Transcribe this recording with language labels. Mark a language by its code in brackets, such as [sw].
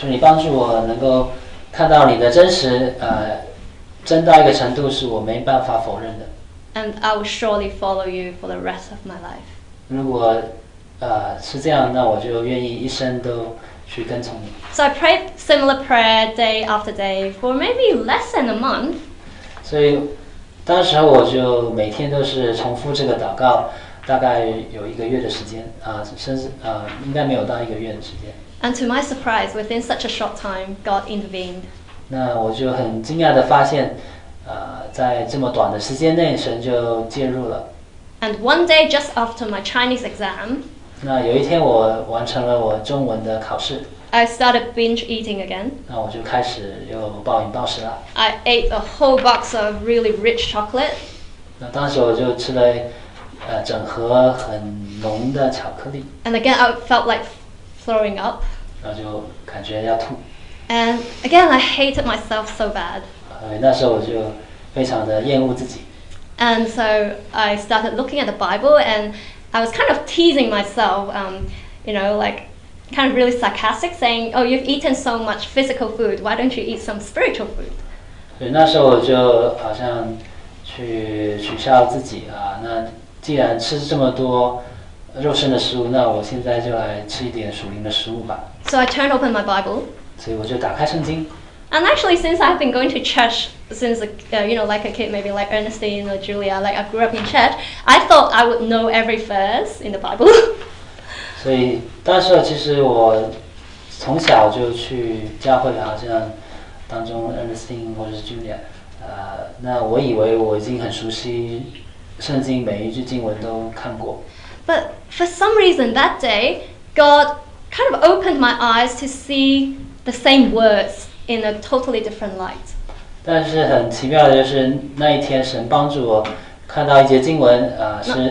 [zh] 求你帮助我能够看到你的真实，真到一个程度是我没办法否认的。 [en] And I will surely follow you for the rest of my life. [zh] 如果是这样，那我就愿意一生都去跟从你。 [en] So I prayed similar prayer day after day for maybe less than a month. [zh] 所以当时我就每天都是重复这个祷告，大概有一个月的时间，应该没有到一个月的时间。 [en] And to my surprise, within such a short time, God intervened. [zh] 那我就很惊讶地发现，在这么短的时间内，神就介入了。 [en] And one day just after my Chinese exam, [zh] 那有一天我完成了我中文的考试。 [en] I started binge eating again. [zh] 那我就开始又暴饮暴食了。 [en] I ate a whole box of really rich chocolate. [zh] 那当时我就吃了整盒很浓的巧克力。 [en] And again, I felt like throwing up. [zh] 然后就感觉要吐。 [en] And again, I hated myself so bad. [zh] 那时候我就非常的厌恶自己。 [en] And so I started looking at the Bible, and I was kind of teasing myself, you know, like kind of really sarcastic, saying, oh, you've eaten so much physical food, why don't you eat some spiritual food? [zh] 那时候我就好像去取笑自己啊，那既然吃这么多肉身的食物，那我现在就来吃一点属灵的食物吧。 [en] So I turned open my Bible. [zh] 所以我就打开圣经。 [en] And actually, since I've been going to church since, you know, like a kid, maybe like Ernestine or Julia, like I grew up in church, I thought I would know every verse in the Bible. [zh] 所以当时其实我从小就去教会啊，像当中 Ernestine 或者 Julia, 那我以为我已经很熟悉圣经每一句经文都看过。 [en] But for some reason that day, God kind of opened my eyes to see the same words in a totally different light. [zh] 但是很奇妙的就是那一天神帮助我看到一节经文，是